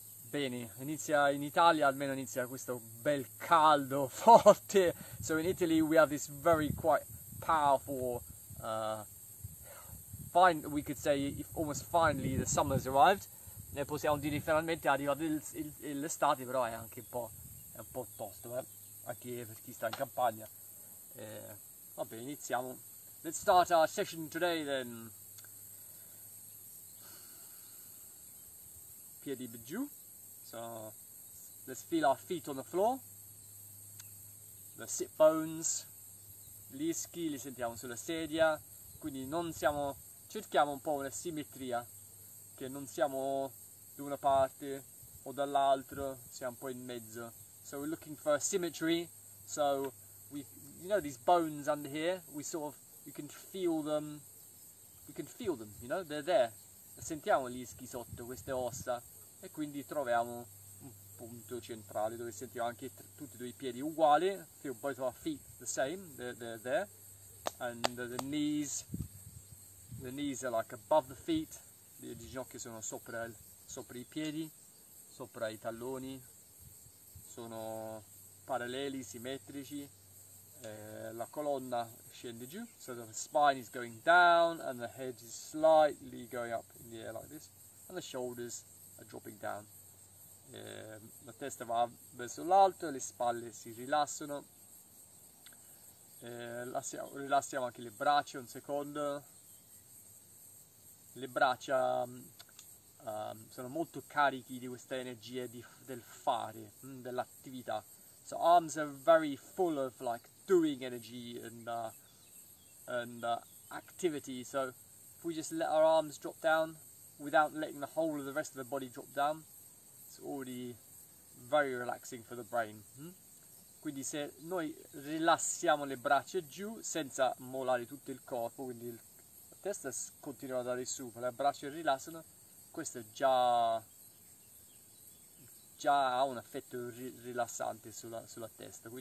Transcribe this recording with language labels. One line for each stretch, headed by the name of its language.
Italian: Bene, inizia in Italia, almeno inizia questo bel caldo forte.
English: So in Italy we have this very quite powerful, finally the summer has arrived.
Italian: Ne possiamo dire finalmente è arrivato l'estate, però è anche un po' tosto, anche per chi sta in campagna. Vabbè, iniziamo.
English: Let's start our session today then.
Italian: Piedi giù.
English: So let's feel our feet on the floor. The sit bones,
Italian: gli ischi li sentiamo sulla sedia, quindi cerchiamo un po' una simmetria, che non siamo da una parte o dall'altra, siamo un po' in mezzo.
English: So we're looking for a symmetry. So we, you know, these bones under here, we can feel them, you know, they're there.
Italian: Sentiamo gli ischi sotto, queste ossa. E quindi troviamo un punto centrale dove sentiamo anche tutti e due i piedi uguali.
English: Feel both our feet the same, they're there. And the knees are like above the feet.
Italian: Le ginocchia sono sopra i piedi, sopra i talloni. Sono paralleli, simmetrici. La colonna scende giù.
English: So the spine is going down and the head is slightly going up in the air like this. And the shoulders dropping down.
Italian: La testa va verso l'alto, le spalle si rilassano. Rilassiamo anche le braccia un secondo. Le braccia sono molto carichi di questa energia del fare, dell'attività.
English: So arms are very full of like doing energy and activity. So if we just let our arms drop down without letting the whole of the rest of the body drop down, it's already very relaxing for the brain.
Italian: Quindi se noi rilassiamo le braccia giù senza mollare tutto il corpo, quindi la testa continua ad andare su, ma le braccia rilassano, questo già ha un effetto rilassante sulla testa.